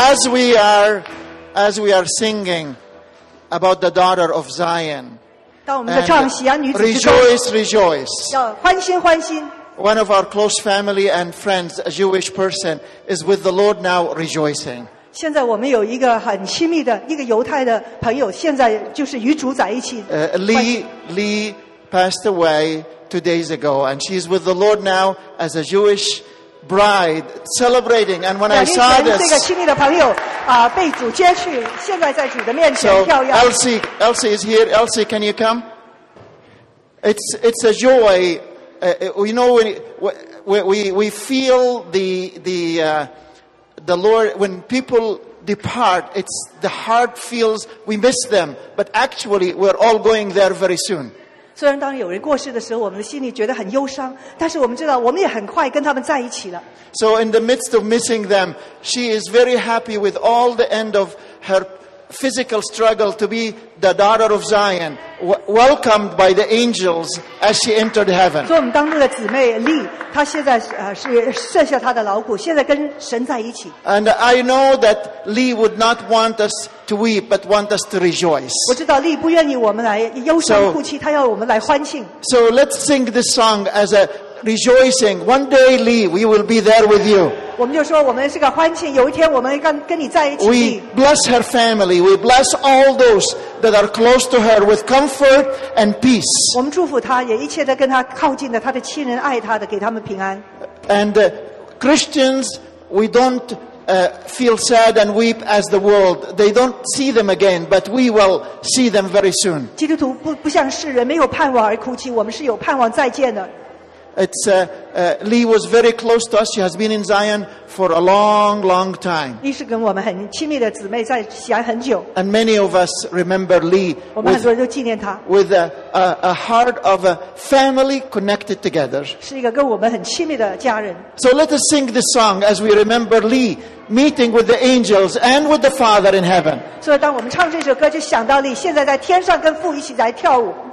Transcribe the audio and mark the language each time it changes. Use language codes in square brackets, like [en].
[en] As we are singing about the daughter of Zion, rejoice, rejoice. [zh] 要欢欣欢欣。 [en] One of our close family and friends, a Jewish person, is with the Lord now rejoicing. [zh] 现在我们有一个很亲密的一个犹太的朋友，现在就是与主在一起。 [en] Lee passed away 2 days ago, and she's with the Lord now as a Jewish bride celebrating. And when I saw this, [zh] 这个亲密的朋友啊，被主接去，现在在主的面前跳跃。 [en] Elsie is here. Elsie, can you come? It's a joy. You know, we feel the Lord, when people depart, it's the heart feels we miss them. But actually, we're all going there very soon. [zh] 虽然当有人过世的时候，我们的心里觉得很忧伤，但是我们知道，我们也很快跟他们在一起了。 [en] So in the midst of missing them, she is very happy with all the end of her physical struggle to be the daughter of Zion, welcomed by the angels as she entered heaven. [zh] 做我们当中的姊妹丽，她现在是卸下她的劳苦，现在跟神在一起。 [en] And I know that Lee would not want us to weep, but want us to rejoice. [zh] 我知道丽不愿意我们来忧伤哭泣，她要我们来欢庆。 [en] So let's sing this song as a rejoicing. One day, Lee, we will be there with you. [zh] 我们就说我们是个欢庆，有一天我们跟你在一起。 [en] We bless her family. We bless all those that are close to her with comfort and peace. [zh] 我们祝福她，也一切的跟她靠近的，她的亲人爱她的，给他们平安。 [en] And Christians, we don't feel sad and weep as the world. They don't see them again, but we will see them very soon. [zh] 基督徒不像世人，没有盼望而哭泣，我们是有盼望再见的。 [en] It's Lee was very close to us. She has been in Zion for a long, long time. [zh] 丽是跟我们很亲密的姊妹，在喜安很久。 [en] And many of us remember Lee. [zh] 我们很多人都纪念她。 [en] With a heart of a family connected together. [zh] 是一个跟我们很亲密的家人。 [en] So let us sing this song as we remember Lee meeting with the angels and with the Father in heaven. [zh] 所以当我们唱这首歌，就想到丽现在在天上跟父一起来跳舞。